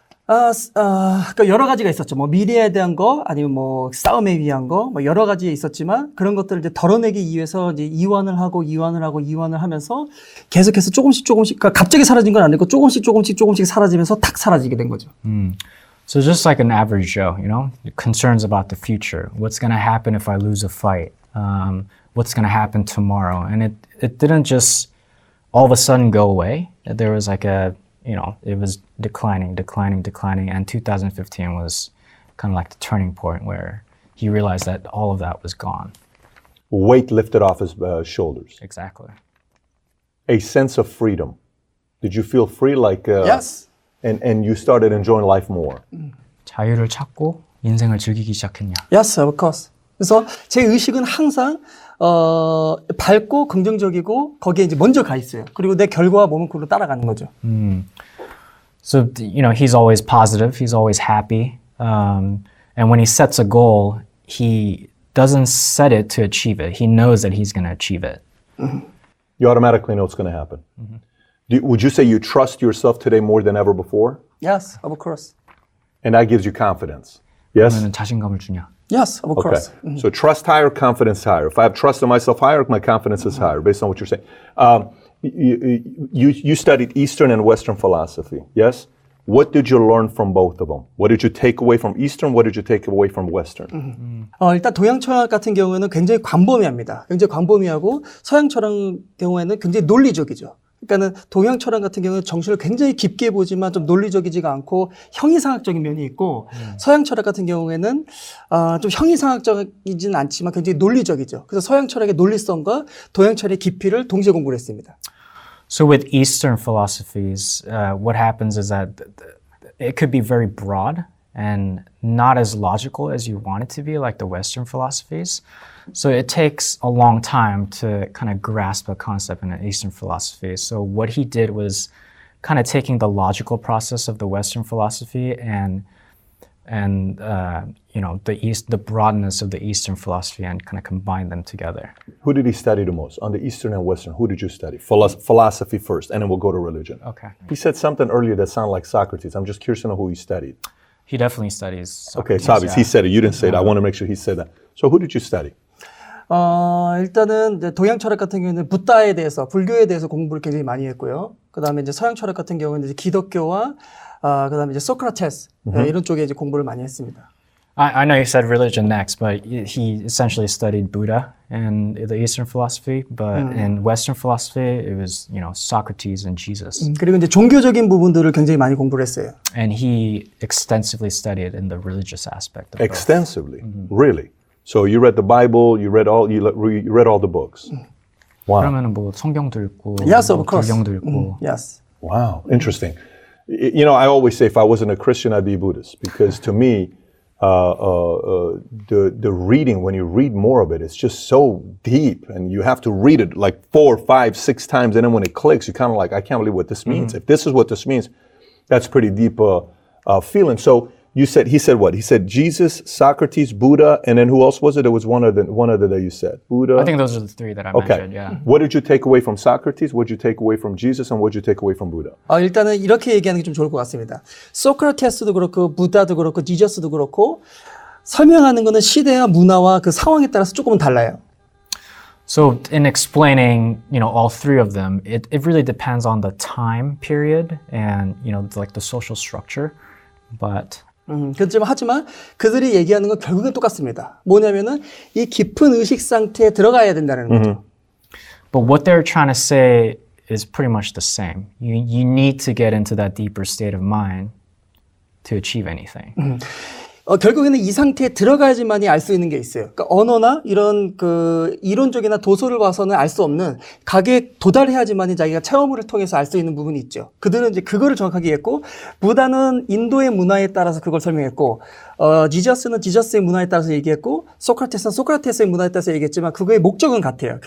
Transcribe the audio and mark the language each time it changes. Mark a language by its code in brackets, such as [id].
[ko] 그러니까 여러 가지가 있었죠. 뭐 미래에 대한 거 아니면 뭐 싸움에 위한 거 뭐 여러 가지 있었지만 그런 것들을 이제 덜어내기 위해서 이제 이완을 하면서 계속해서 조금씩 그러니까 갑자기 사라진 건 아니고 조금씩 사라지면서 탁 사라지게 된 거죠. [en] So just like an average Joe, you know, concerns about the future. What's going to happen if I lose a fight? What's going to happen tomorrow? And it didn't just all of a sudden go away. There was like a you know, it was declining, and 2015 was kind of like the turning point where he realized that all of that was gone. Weight lifted off his shoulders. Exactly. A sense of freedom. Did you feel free like... Yes. And you started enjoying life more. [ko] 자유를 찾고 인생을 즐기기 시작했냐. [en] Yes, of course. [ko] 그래서 제 의식은 항상 밝고 긍정적이고 거기에 이제 먼저 가 있어요. 그리고 내 결과와 몸은 그로 따라가는 거죠. [en] So you know he's always positive. He's always happy. And when he sets a goal, he doesn't set it to achieve it. He knows that he's going to achieve it. You automatically know it's going to happen. Would you say you trust yourself today more than ever before? Yes, of course. And that gives you confidence. Yes. 나는 자신감을 주냐. Yes, of course. Okay. Mm-hmm. So trust higher, confidence higher. If I have trust in myself higher, my confidence is higher, based on what you're saying. You studied Eastern and Western philosophy, yes? What did you learn from both of them? What did you take away from Eastern? What did you take away from Western? [ko] 일단 동양 철학 같은 경우에는 굉장히 광범위합니다. 굉장히 광범위하고 서양 철학 경우에는 굉장히 논리적이죠. 그러니까는 동양 철학 같은 경우는 정신을 굉장히 깊게 보지만 좀 논리적이지가 않고 형이상학적인 면이 있고 서양 철학 같은 경우에는 좀 형이상학적이지는 않지만 굉장히 논리적이죠. 그래서 서양 철학의 논리성과 동양 철학의 깊이를 동시에 공부를 했습니다. [en] So with Eastern philosophies, what happens is that it could be very broad and not as logical as you want it to be like the Western philosophies. So it takes a long time to kind of grasp a concept in an Eastern philosophy. So what he did was kind of taking the logical process of the Western philosophy and the broadness of the Eastern philosophy and kind of combine them together. Who did he study the most? On the Eastern and Western, who did you study? Philosophy first, and then we'll go to religion. Okay. He said something earlier that sounded like Socrates. I'm just curious to know who he studied. He definitely studies Socrates. Okay, Socrates, yeah. He said it. You didn't say it. I want to make sure he said that. So who did you study? [ko] 일단은 이제 동양 철학 같은 경우에는 부다에 대해서 불교에 대해서 공부를 굉장히 많이 했고요. 그다음에 이제 서양 철학 같은 경우에는 이제 기독교와 그다음에 이제 소크라테스 이런 쪽에 이제 공부를 많이 했습니다. [en] I know you said religion next, but he essentially studied Buddha and the Eastern philosophy, but in Western philosophy it was, you know, Socrates and Jesus. [ko] 그리고 이제 종교적인 부분들을 굉장히 많이 공부를 했어요. [en] And he extensively studied in the religious aspect of it. Extensively. Mm-hmm. Really? So you read the Bible, you read all the books. Wow. [ko] 그러면은 뭐 성경도 읽고 [en] yes, of course. [ko] 불경도 읽고. [en] Yes. Wow, interesting. You know, I always say if I wasn't a Christian, I'd be a Buddhist because to me the reading when you read more of it it's just so deep and you have to read it like 4, 5, 6 times and then when it clicks you kind of like I can't believe what this means. Mm-hmm. If this is what this means, that's pretty deep feeling. So you said, he said what? He said Jesus, Socrates, Buddha, and then who else was it? It was one other that you said. Buddha? I think those are the three that I mentioned, yeah. What did you take away from Socrates? What did you take away from Jesus? And what did you take away from Buddha? [ko] 일단은 이렇게 얘기하는 게 좀 좋을 것 같습니다. 소크라테스도 그렇고, 부다도 그렇고, 지저스도 그렇고, 설명하는 거는 시대와 문화와 그 상황에 따라서 조금은 달라요. [en] So in explaining, you know, all three of them, it really depends on the time period and, you know, like the social structure. But [ko] 그렇지만 하지만 그들이 얘기하는 건 결국엔 똑같습니다. 뭐냐면은 이 깊은 의식 상태에 들어가야 된다는 거죠. [en] But what they're trying to say is pretty much the same. You need to get into that deeper state of mind to achieve anything. [ko] 결국에는 이 상태에 들어가야지만이 알 수 있는 게 있어요. 그러니까 언어나 이런 그 이론적이나 도서를 봐서는 알 수 없는 각에 도달해야지만이 자기가 체험을 통해서 알 수 있는 부분이 있죠. 그들은 이제 그거를 정확하게 했고 부다는 인도의 문화에 따라서 그걸 설명했고 지저스는 지저스의 문화에 따라서 얘기했고 소크라테스는 소크라테스의 문화에 따라서 얘기했지만 그거의 목적은 같아요.